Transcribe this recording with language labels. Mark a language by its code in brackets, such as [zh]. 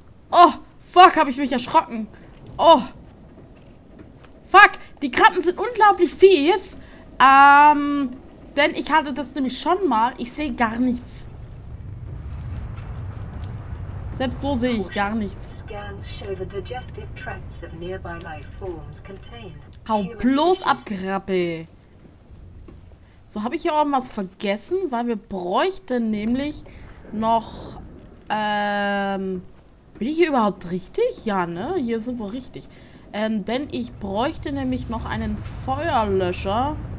[de] Oh, fuck, habe ich mich erschrocken. Oh. Fuck, die Krabben sind unglaublich fies. Denn ich hatte das nämlich schon mal. Ich sehe gar nichts. Selbst so sehe ich gar nichts. [en] Scans show the digestive tracts of nearby life forms contain. [de] Hau bloß ab, Krabbe. So, habe ich hier irgendwas vergessen? Weil wir bräuchten nämlich noch, bin ich hier überhaupt richtig? Ja, ne? Hier sind wir richtig. Denn ich bräuchte nämlich noch einen Feuerlöscher.